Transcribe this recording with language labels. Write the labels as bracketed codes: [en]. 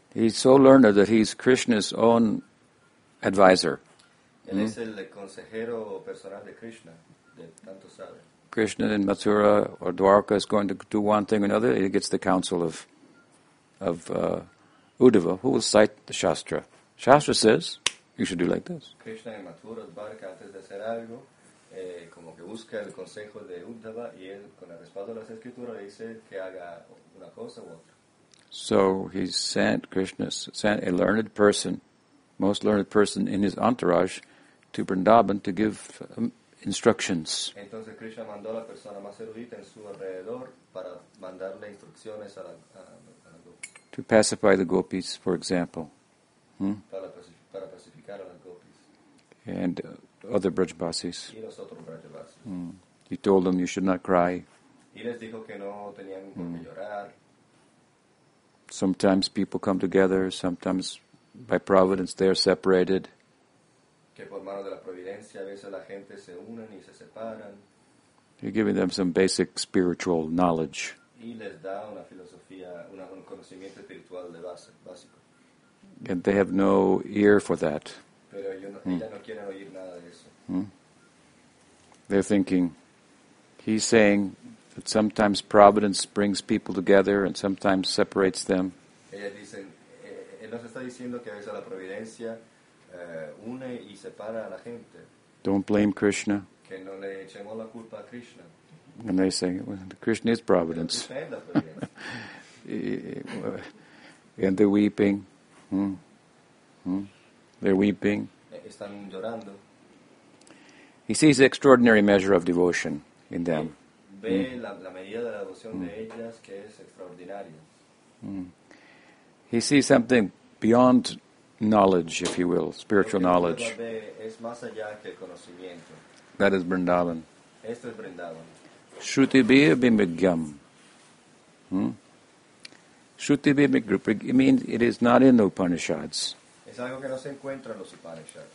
[en] He's so learned that he's Krishna's own advisor. [es] Él es el consejero personal de Krishna, de tanto sabe. [en] Krishna in Mathura or Dwarka is going to do one thing or another. He gets the counsel of Uddhava, who will cite the Shastra. Shastra says, you should do like this. [es] Krishna in Mathura, Dwarka, antes de hacer algo, como que busca el consejo de Uddhava y él, con el respaldo de las escrituras, le dice que haga una cosa u otra. [en] So he sent Krishna, sent a learned person, most learned person in his entourage, to Vrindavan to give instructions. [es] Entonces Krishna mandó a la persona más erudita en su alrededor para mandarle instrucciones a la gopis. [en] To pacify the gopis, for example. Hmm? [es] Para pacificar a las gopis. [en] And other brajbasis. [es] Y los otros brajbasis. [en] Hmm. He told them you should not cry. [es] Y les dijo que no tenían por qué llorar. [en] Sometimes people come together, sometimes by providence they are separated. [es] Que por mano de la providencia a veces la gente se unen y se separan. [en] You're giving them some basic spiritual knowledge. [es] Y les da una filosofía, un conocimiento espiritual de base, básico. [en] And they have no ear for that. [es] Pero ellos no, ellas no quieren oír nada de eso. [en] They're thinking, he's saying that sometimes providence brings people together and sometimes separates them. [es] Ellas dicen, él nos está diciendo que a veces la providencia une y separa a la gente. [en] Don't blame Krishna. [es] Que no le echemos la culpa a Krishna. [en] And they say, well, Krishna is providence. And they're weeping. They're weeping. [es] Están llorando. [en] He sees the extraordinary measure of devotion in them. [es] Ve la medida de la devoción de ellas que es extraordinaria. [en] He sees something beyond knowledge, if you will, spiritual knowledge. [es] Es más allá que el conocimiento. [en] That is Vrindavan. [es] Esto es Vrindavan. Shruti bir bimbigyam. [en] Shruti bir bimbigyam means it is not in the Upanishads. [es] Es algo que no se encuentra en los Upanishads.